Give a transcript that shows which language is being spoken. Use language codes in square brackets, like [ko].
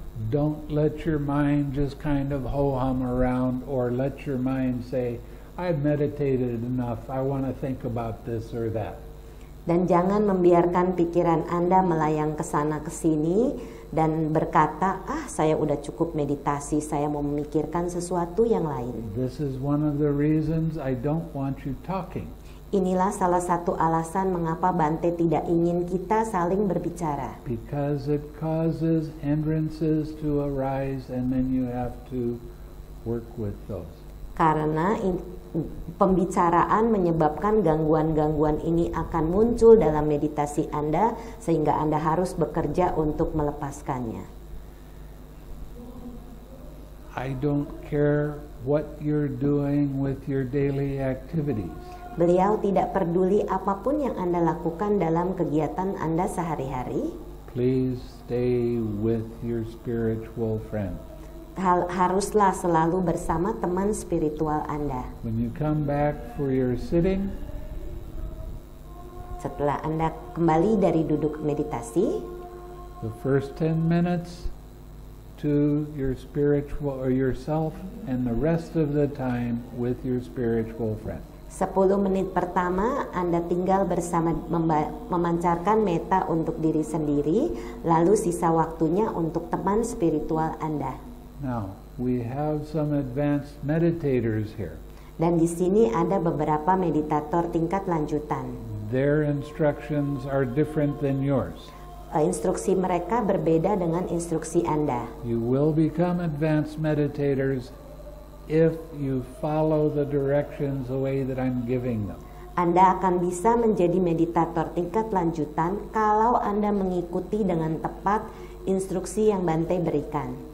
[en] Don't let your mind just kind of ho-hum around, or let your mind say, I've meditated enough, I want to think about this or that. [id] Dan jangan membiarkan pikiran Anda melayang ke sana ke sini dan berkata, ah, saya udah cukup meditasi, saya mau memikirkan sesuatu yang lain. [en] This is one of the reasons I don't want you talking. [id] Inilah salah satu alasan mengapa Bante tidak ingin kita saling berbicara. [en] Because it causes hindrances to arise and then you have to work with those. [id] Karena pembicaraan menyebabkan gangguan-gangguan ini akan muncul dalam meditasi Anda sehingga Anda harus bekerja untuk melepaskannya. [en] I don't care what you're doing with your daily activities. [id] Beliau tidak peduli apapun yang Anda lakukan dalam kegiatan Anda sehari-hari. [en] Please stay with your spiritual friend. [id] Haruslah selalu bersama teman spiritual Anda. [en] When you come back for your sitting, [id] setelah Anda kembali dari duduk meditasi, [en] the first 10 minutes to your spiritual or yourself and the rest of the time with your spiritual friend. [id] 10 menit pertama Anda tinggal bersama memancarkan metta untuk diri sendiri, lalu sisa waktunya untuk teman spiritual Anda. [en] Now, we have some advanced meditators here. [id] Dan di sini ada beberapa meditator tingkat lanjutan. [en] Their instructions are different than yours. [id] Instruksi mereka berbeda dengan instruksi Anda. [en] You will become advanced meditators if you follow the directions the way that I'm giving them. [id] Anda akan bisa menjadi meditator tingkat lanjutan kalau Anda mengikuti dengan tepat instruksi yang Bante berikan.